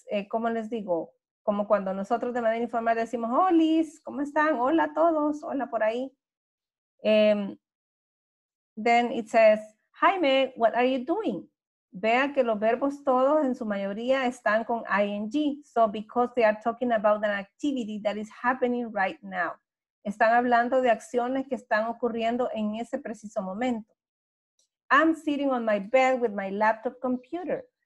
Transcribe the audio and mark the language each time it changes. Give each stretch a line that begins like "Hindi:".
Spanish: Como les digo, como cuando nosotros de manera informal decimos holis, ¿cómo están? Hola a todos, hola por ahí.
English: Then it says, Jaime, what are you doing?
Spanish: Vea que los verbos todos en su mayoría están con ing.
English: So, because they are talking about an activity that is happening right now.
Spanish: Están hablando de acciones que están ocurriendo en ese preciso momento.
English: I'm sitting on my bed with my laptop computer.